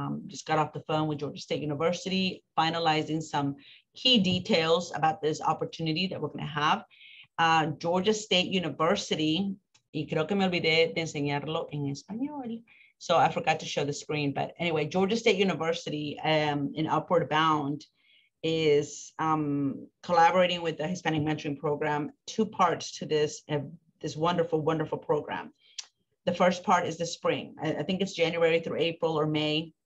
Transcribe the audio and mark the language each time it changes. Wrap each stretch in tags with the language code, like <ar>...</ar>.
<en>Just got off the phone with Georgia State University, finalizing some key details about this opportunity that we're going to have.</en> <es>Georgia State University, y creo que me olvidé de enseñarlo en español.</es> <en>So I forgot to show the screen, but anyway, Georgia State University in Upward Bound is collaborating with the Hispanic Mentoring Program. 2 parts to this, this wonderful, wonderful program. The first part is the spring. I think it's January through April or May.</en>